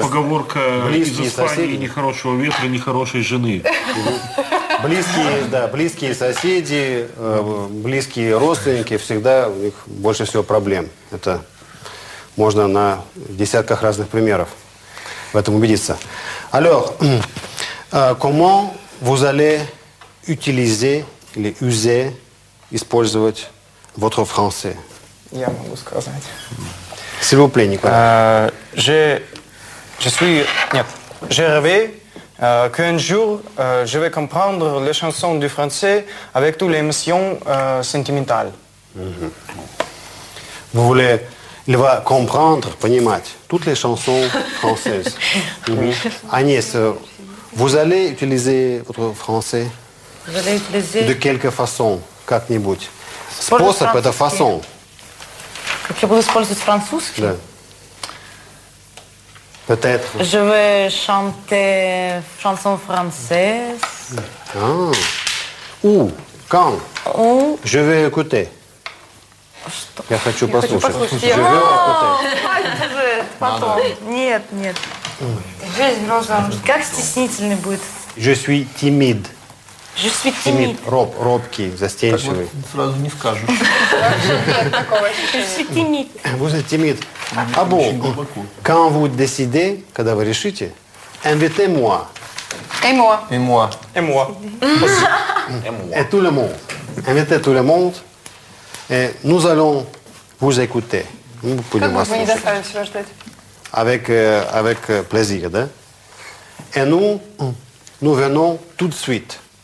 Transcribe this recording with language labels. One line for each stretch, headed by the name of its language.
Russian: поговорка это из Испании соседи. «Нехорошего ветра, нехорошей жены». Близкие, да, близкие соседи, близкие родственники, всегда у них больше всего проблем. Это можно на десятках разных примеров в этом убедиться.
French: Alors, comment vous allez utiliser
Russian: или
French: user,
Russian: использовать
French: votre français?
Russian: Я могу сказать.
French: S'il vous plaît, Николай. J'ai rêvé. Qu'un jour, je vais comprendre les chansons du français avec toutes les émotions sentimentales. Mm-hmm. Vous voulez, il va comprendre,
Russian: понимать,
French: toutes les chansons françaises. Mm-hmm. Agnès, vous allez utiliser votre français de quelque façon,
Russian: как-нибудь. Способ – это façon. Как я буду использовать французский? Да.
French: Peut-être. Je vais chanter chanson française. Ah. Où? Quand? Où? Je vais écouter.
Russian: Я хочу послушать.
French: Je vais écouter.
Russian: Потом. Нет, нет. Жизнь должна быть. Как стеснительный будет.
French: Je suis timide. Je suis timide.
Russian: Робкий, застенчивый. Так вот, сразу не скажешь.
French: Je suis timide. Vous êtes timide.
Russian: А бог,
French: quand vous décidez,
Russian: когда вы решите,
French: invitez-moi. Et moi. Et moi. Et moi. Et moi. Et tout le monde. Invitez tout le monde. Et nous allons vous écouter.
Russian: Как вы не заставите себя ждать?
French: Avec plaisir,
Russian: да?
French: Et nous venons tout de suite.